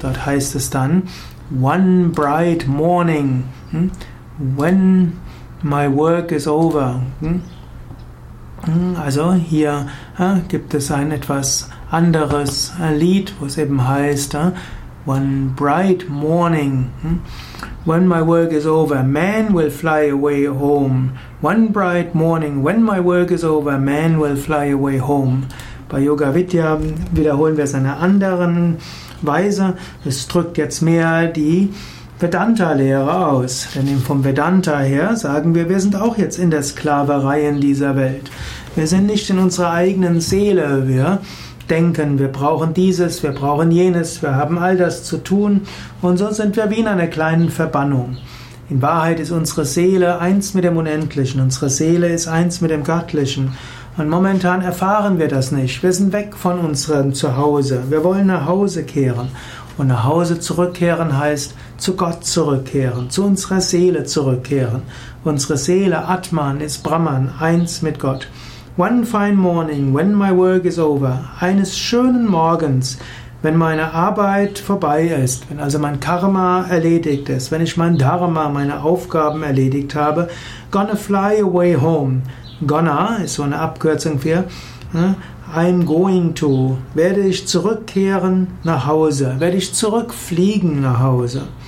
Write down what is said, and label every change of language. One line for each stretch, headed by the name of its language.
German: Dort heißt es dann,
English: One bright morning, when my work is over.
German: Also hier gibt es ein etwas anderes Lied, wo es eben heißt,
English: One bright morning, when my work is over, man will fly away home. One bright morning, when my work is over, man will fly away home.
German: Bei Yoga Vidya wiederholen wir es in einer anderen Weise. Es drückt jetzt mehr die Vedanta-Lehre aus. Denn vom Vedanta her sagen wir, wir sind auch jetzt in der Sklaverei in dieser Welt. Wir sind nicht in unserer eigenen Seele. Wir denken, wir brauchen dieses, wir brauchen jenes, wir haben all das zu tun. Und so sind wir wie in einer kleinen Verbannung. In Wahrheit ist unsere Seele eins mit dem Unendlichen. Unsere Seele ist eins mit dem Göttlichen. Und momentan erfahren wir das nicht. Wir sind weg von unserem Zuhause. Wir wollen nach Hause kehren. Und nach Hause zurückkehren heißt, zu Gott zurückkehren, zu unserer Seele zurückkehren. Unsere Seele, Atman, ist Brahman, eins mit Gott.
English: One fine morning, when my work is over.
German: Eines schönen Morgens, wenn meine Arbeit vorbei ist, wenn also mein Karma erledigt ist, wenn ich mein Dharma, meine Aufgaben erledigt habe,
English: gonna fly away home.
German: Gonna ist so eine Abkürzung für
English: I'm going to,
German: werde ich zurückkehren nach Hause, werde ich zurückfliegen nach Hause.